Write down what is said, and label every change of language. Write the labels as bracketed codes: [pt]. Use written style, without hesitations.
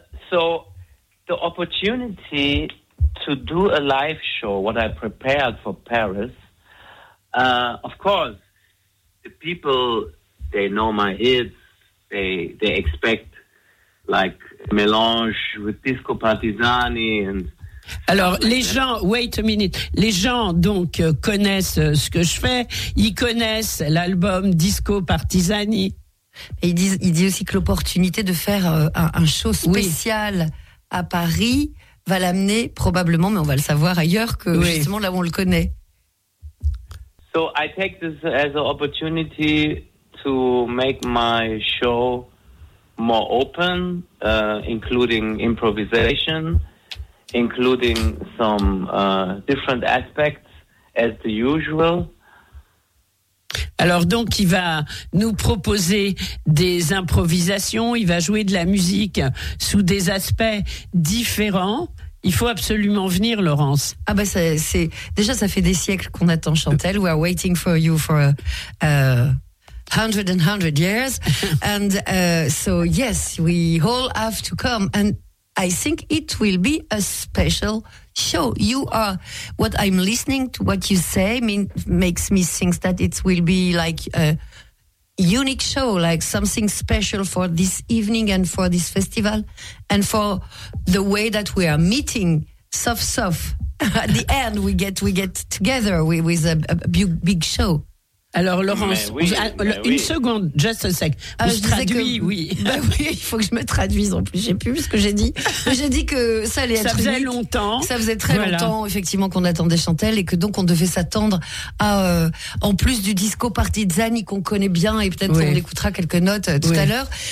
[en] So, the opportunity to do a live show, what I prepared for Paris. Of course, the people, they know my hits. They expect like mélange with Disco Partizani and. [fr] Alors, les gens, [en] wait a minute, [fr] les gens donc connaissent ce que je fais. Ils connaissent l'album Disco Partizani. Et il dit aussi que l'opportunité de faire un show spécial, oui, à Paris va l'amener probablement, mais on va le savoir ailleurs, que, oui, justement là où on le connaît. [en] So I take this as an opportunity to make my show more open, including improvisation, including some different aspects as the usual. [fr] Alors donc, il va nous proposer des improvisations, il va jouer de la musique sous des aspects différents. Il faut absolument venir, Laurence. Ah ben, c'est déjà, ça fait des siècles qu'on attend Chantal. [en] We are waiting for you for hundred and hundred years. And so, yes, we all have to come. And I think it will be a special show. You are, what I'm listening to, what you say, makes me think that it will be like a unique show, like something special for this evening and for this festival and for the way that we are meeting soft at the end. We get together with a big show. [fr] Alors Laurence, oui, une seconde, [en] just a sec. [fr] Ah, je traduis, que, oui. Bah oui, il faut que je me traduise en plus. J'ai plus ce que j'ai dit. J'ai dit que ça allait ça être. Ça faisait longtemps. Ça faisait très longtemps, effectivement, qu'on attendait Chantal et que donc on devait s'attendre à, en plus du disco Partizani qu'on connaît bien et peut-être on écoutera quelques notes tout à l'heure.